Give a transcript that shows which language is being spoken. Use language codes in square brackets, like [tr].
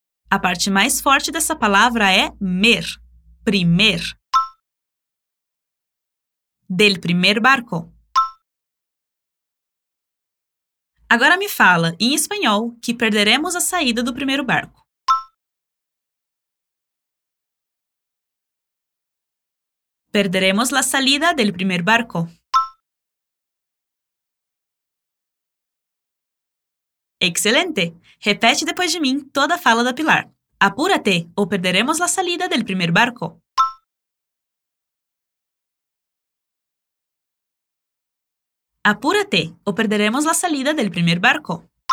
[pt] A parte mais forte dessa palavra é mer, primer. [es] Del primer barco. [pt] Agora me fala, em espanhol, que perderemos a saída do primeiro barco. [es] Perderemos la salida del primer barco. [pt] Excelente! Repete depois de mim toda a fala da Pilar. [es] Apúrate, [pt] ou [es] perderemos la salida del primer barco. Apúrate. Apúrate, o perderemos la salida del primer barco.